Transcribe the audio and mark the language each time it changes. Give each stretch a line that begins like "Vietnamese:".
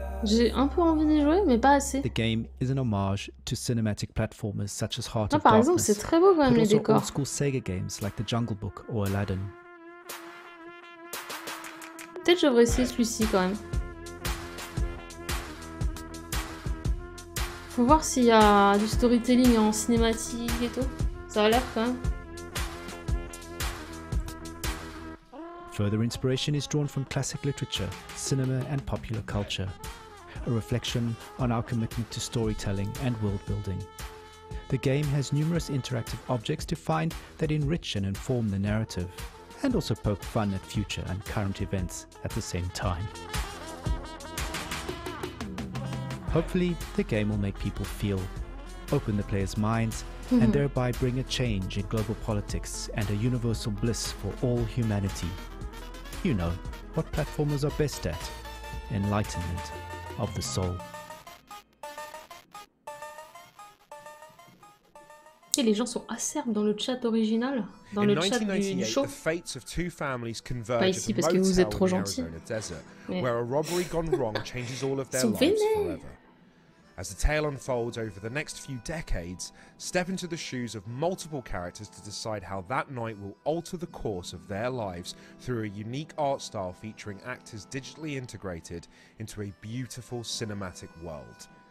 French: J'ai un peu envie d'y jouer, mais pas assez.
English: The game is an homage to cinematic platformers such as Heart of
French: Par exemple, c'est très beau quand même les décors.
English: But also old-school Sega games like The Jungle Book or Aladdin.
French: Peut-être j'aurais essayé celui-ci quand même. Faut voir s'il y a du storytelling en cinématique et tout. Ça a l'air quand même.
English: Further inspiration is drawn from classic literature, cinema and popular culture. A reflection on our commitment to storytelling and world building. The game has numerous interactive objects to find that enrich and inform the narrative, and also poke fun at future and current events at the same time. Hopefully, the game will make people feel, open the players' minds, and thereby bring a change in global politics and a universal bliss for all humanity. You know, what platformers are best at, enlightenment of the soul.
French: Et les gens sont acerbes dans le chat original, dans
English: in
French: le chat du show.
English: The fates of two families converge.
French: Pas ici parce que vous êtes trop gentil.
English: Desert, where a robbery gone wrong changes all of their lives forever. As the tale unfolds over the next few decades, step into the shoes of multiple characters to decide how that night will alter the course of their lives through a unique art style featuring actors digitally integrated into a beautiful cinematic world.